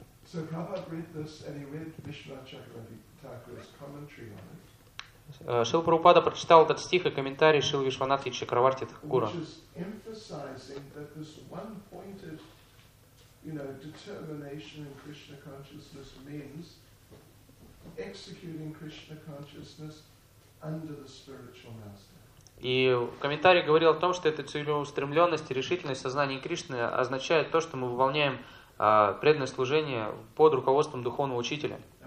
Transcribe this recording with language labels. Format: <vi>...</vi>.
<en>So Prabhupada read this and he read Vishwanatha Chakravarti Thakura's commentary on it.</en> <ru>Шрила Прабхупада прочитал этот стих и комментарий Шрилы Вишванатхи Чакраварти Такура.</ru> <en>Which is emphasizing that this one-pointed, you know, determination in Krishna consciousness means executing Krishna consciousness under the spiritual master.</en> <ru>И комментарий говорил о том, что эта целеустремленность и решительность сознания Кришны означает то, что мы выполняем преданное служение под руководством духовного учителя.</ru>